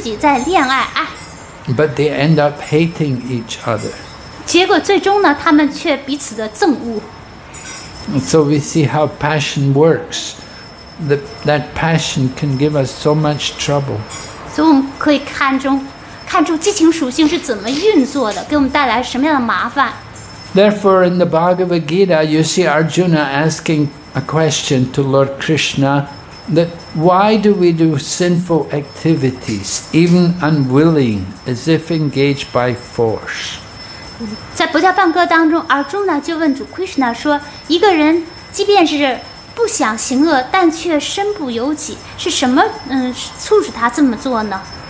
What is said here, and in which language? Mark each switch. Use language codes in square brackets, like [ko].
[zh] 一开始呢，他们还以为自己在恋爱。 [en] But they end up hating each other. [zh] 结果最终呢，他们却彼此的憎恶。 [en] So we see how passion works. That passion can give us so much trouble. [zh] 所以我们可以看出激情属性是怎么运作的，给我们带来什么样的麻烦。 [en] Therefore, in the Bhagavad Gita, you see Arjuna asking a question to Lord Krishna that why do we do sinful activities, even unwilling, as if engaged by force? [zh] 在《不教梵歌》当中， Arjuna 就问主 Krishna 说，一个人即便是不想行恶，但却身不由己，是什么促使他这么做呢？